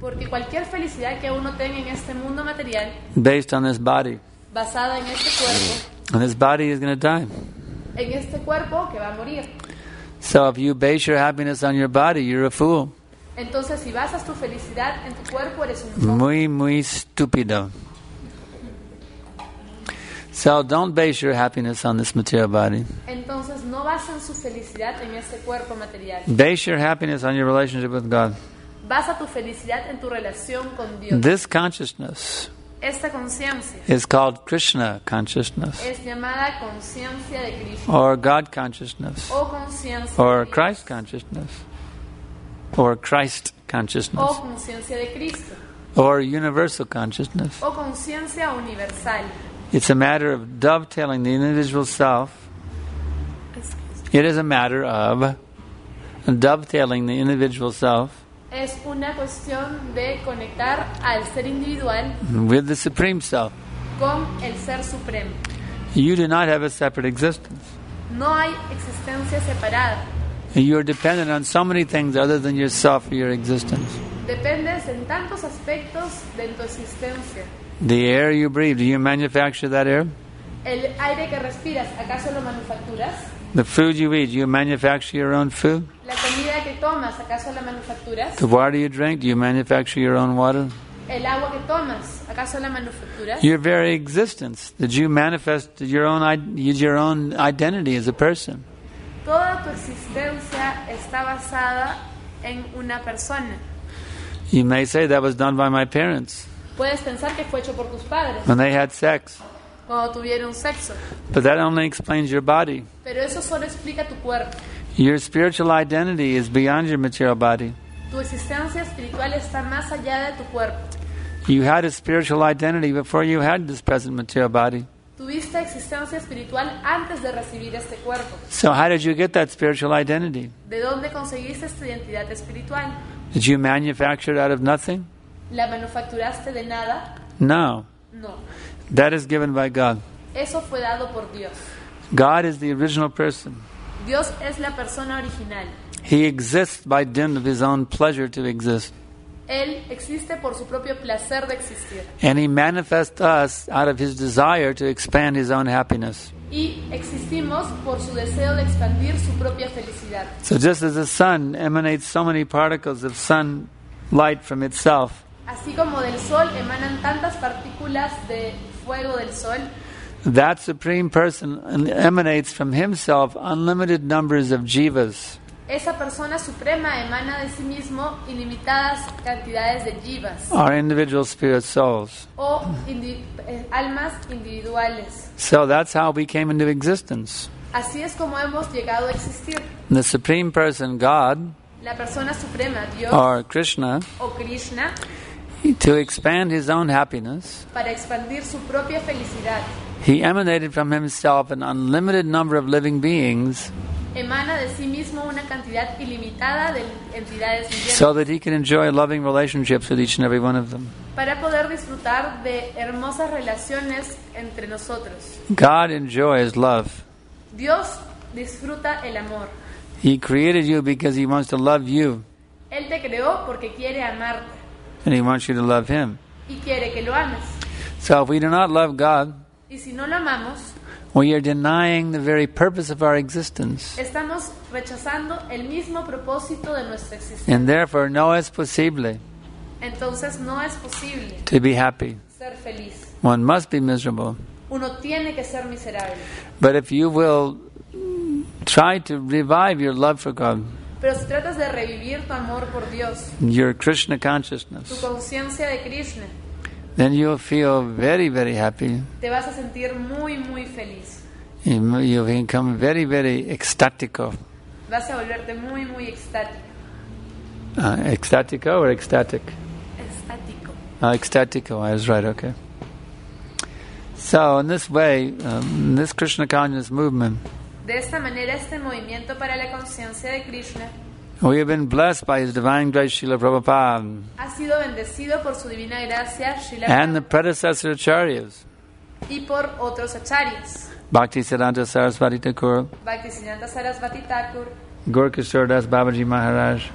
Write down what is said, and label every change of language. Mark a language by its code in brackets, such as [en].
[es] porque cualquier felicidad que uno tenga en este mundo material, [en] based on this body, [es] basada en este cuerpo, [en] and this body is going to die, [es] en este cuerpo que va a morir. [en] So if you base your happiness on your body, you're a fool. [es] Entonces, si basas tu felicidad en tu cuerpo, eres un fool. Muy, muy estúpido. [en] So don't base your happiness on this material body. [es] Entonces no basen su felicidad en este cuerpo material. [en] Base your happiness on your relationship with God. [es] Basa tu felicidad en tu relación con Dios. [en] This consciousness, [es] esta conciencia, [en] is called Krishna consciousness. [es] Es llamada conciencia de Krishna. [en] Or God consciousness. [es] O conciencia. [en] Or Christ consciousness. Or Christ consciousness. [es] O conciencia de Cristo. [en] Or universal consciousness. [es] O conciencia universal. [en] It's a matter of dovetailing the individual self. It is a matter of dovetailing the individual self. [es] Es una cuestión de conectar al ser individual [en] with the supreme self. [es] Con el ser supremo. [en] You do not have a separate existence. [es] No hay existencia separada. [en] You are dependent on so many things other than yourself for your existence. [es] Dependes en tantos aspectos de tu existencia. [en] The air you breathe, do you manufacture that air? [es] El aire que respiras, ¿acaso lo manufacturas? [en] The food you eat, do you manufacture your own food? [es] La comida que tomas, ¿acaso la manufacturas? [en] The water you drink, do you manufacture your own water? [es] El agua que tomas, ¿acaso la manufacturas? [en] Your very existence, did you manifest your own identity as a person? [es] Toda tu existencia está basada en una persona. [en] You may say that was done by my parents. [es] Puedes pensar que fue hecho por tus padres. [en] When they had sex. [es] Cuando tuvieron sexo. [en] But that only explains your body. [es] Pero eso solo explica tu cuerpo. [en] Your spiritual identity is beyond your material body. [es] Tu existencia espiritual está más allá de tu cuerpo. [en] You had a spiritual identity before you had this present material body. [es] Tuviste existencia espiritual antes de recibir este cuerpo. [en] So how did you get that spiritual identity? [es] ¿De dónde conseguiste esta identidad espiritual? [en] Did you manufacture it out of nothing? [es] ¿La manufacturaste de nada? [en] No. [es] No. [en] That is given by God. [es] Eso fue dado por Dios. [en] God is the original person. [es] Dios es la persona original. [en] He exists by dint of his own pleasure to exist. [es] Él existe por su propio placer de existir. [en] And he manifests us out of his desire to expand his own happiness. [es] Y existimos por su deseo de expandir su propia felicidad. [en] So just as the sun emanates so many particles of sun light from itself. [es] Así como del sol emanan tantas partículas de fuego del sol. [en] That supreme person emanates from himself unlimited numbers of jivas. [es] esa persona suprema emana de sí mismo ilimitadas cantidades de jivas. [en] Our individual spirit souls. [es] O almas individuales. [en] So that's how we came into existence. [es] Así es como hemos llegado a existir. [en] The Supreme Person, God. [es] La persona suprema, Dios. [en] Or Krishna. [es] O Krishna. [en] To expand his own happiness. [es] Para expandir su propia felicidad. [en] He emanated from himself an unlimited number of living beings. [es] Emana de sí mismo una cantidad ilimitada de entidades vivientes. [en] So that he can enjoy loving relationships with each and every one of them. [es] Para poder disfrutar de hermosas relaciones entre nosotros. [en] God enjoys love. [es] Dios disfruta el amor. [en] He created you because he wants to love you. [es] Él te creó porque quiere amarte. [en] And he wants you to love him. [es] Y quiere que lo ames. [en] So if we do not love God, [es] y si no lo amamos, [en] we are denying the very purpose of our existence. [es] Estamos rechazando el mismo propósito de nuestra existencia. [en] And therefore, [es] no es posible. Entonces, no es posible [en] to be happy. [es] Ser feliz. [en] One must be miserable. [es] Uno tiene que ser miserable. [en] But if you will try to revive your love for God, [es] pero si tratas de revivir tu amor por Dios, [en] your Krishna consciousness, [es] tu conciencia de Krishna, [en] then you'll feel very, very happy. [es] Te vas a sentir muy, muy feliz. [en] You'll become very, very ecstatic. [es] Vas a volverte muy, muy ecstatic. [en] Ecstatic or ecstatic? Ecstatic. Ecstatic, I was right, okay. So, in this way, this Krishna consciousness movement, [es] de esta manera, este movimiento para la conciencia de Krishna, [en] we have been blessed by His divine grace, Srila Prabhupada. [es] Ha sido bendecido por su divina gracia, Srila. [en] And the predecessor acharyas. [es] Y por otros acharyas. [en] Bhaktisiddhanta Sarasvati Thakur. [es] Bhaktisiddhanta Sarasvati Thakur. [en] Gaurakishore Das Babaji Maharaj.